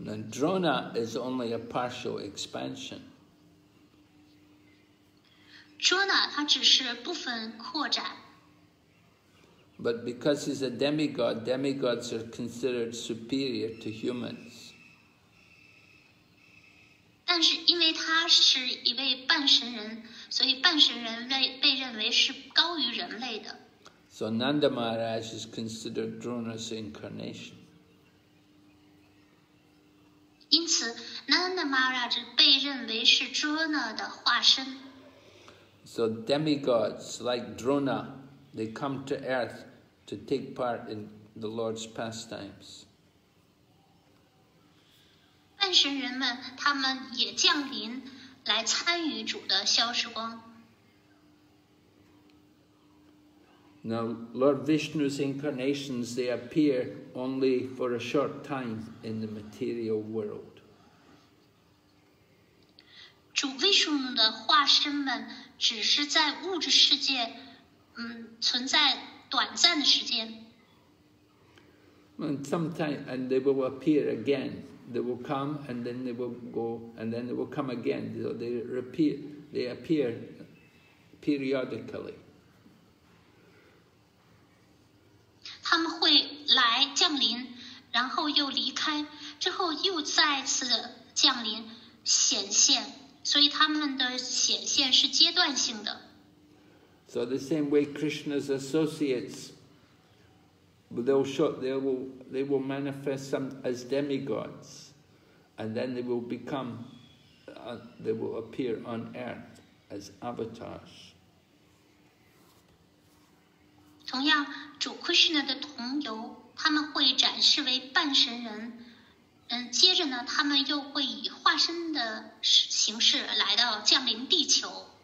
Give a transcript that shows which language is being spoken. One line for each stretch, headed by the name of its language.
English: Drona is only a partial expansion.
Chinese: Drona 它只是部分扩展。
English: But because he's a demigod, demigods are considered superior to humans.
Chinese: 但是因为他是一位半神人，所以半神人被认为是高于人类的。
English: So Nanda Maharaj is considered Drona's incarnation.
Chinese: 因此 Nanda Maharaj 被认为是 Drona 的化身。
English: So demigods like Drona They come to earth to take part in the Lord's pastimes.
Chinese: 半神人们，他们也降临来参与主的消时光。
English: Now, Lord Vishnu's incarnations, they appear only for a short time in the material world.
Chinese: 主 Vishnu 的化身们只是在物质世界，存在短暂的时间。
English: And sometimes, and they will appear again. They will come, and then they will go, and then they will come again. So they repeat, they appear periodically.
Chinese: 他们会来降临，然后又离开，之后又再次降临显现，所以他们的显现是阶段性的。
English: So the same way Krishna's associates, they will manifest some as demigods, and then they will become, they will appear on earth as avatars.
Chinese: 同样，主 Krishna 的同游，他们会展示为半神人，接着呢，他们又会以化身的形式来到降临地球。